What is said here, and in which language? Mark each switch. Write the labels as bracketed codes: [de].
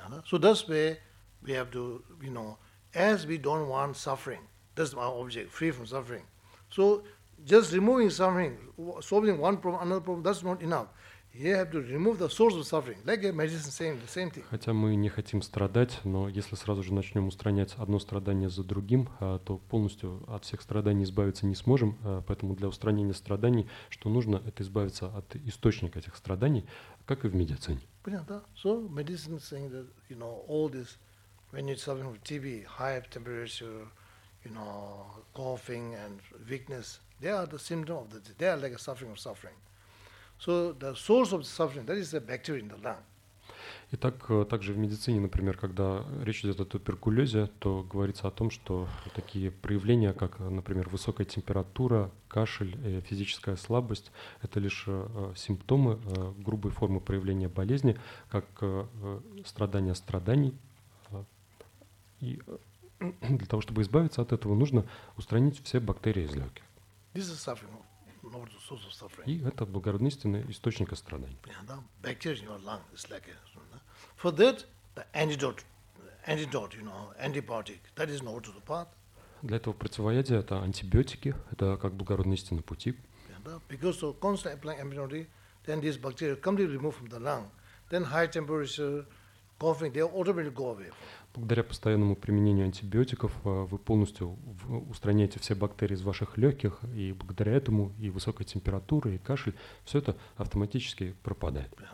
[en] So that's where we have to, you know, as we don't want suffering, that's our object, free from suffering. So just removing suffering, solving one problem, another problem, that's not enough. You have to remove the source of suffering, like a medicine, same thing. [ru] Хотя мы не хотим страдать, но если сразу же начнем устранять одно страдание за другим, то полностью от всех страданий избавиться не сможем. Поэтому для устранения страданий, что нужно, это избавиться от источника этих страданий, как и в медицине. Понятно. [en] So medicine saying that, you know, all this, when you're suffering from TB, high temperature, you know, coughing and weakness, they are the symptom of the. They are like a suffering of suffering. So the source of the suffering, that is the bacteria in the lung. [ru] И так, также в медицине, например, когда речь идет о туберкулезе, то говорится о том, что такие проявления, как, например, высокая температура, кашель и физическая слабость, это лишь симптомы грубой формы проявления болезни, как страдания страданий. И для того, чтобы избавиться от этого, нужно устранить все бактерии из легких. [en] This is suffering. [ru] И это благородный источник страданий. [en] Bacteria in your lung is like a, for that the antidote, you know, antibiotic, that is not to the path. [ru] Для этого противоядие это антибиотики, это как благородный истинный пути. [en] Because of constant applying antibiotic, then these bacteria completely removed from the lung. Then high temperature, coughing, they automatically go away. [ru] Благодаря постоянному применению антибиотиков вы полностью устраняете все бактерии из ваших легких, и благодаря этому и высокая температура, и кашель, все это автоматически пропадает.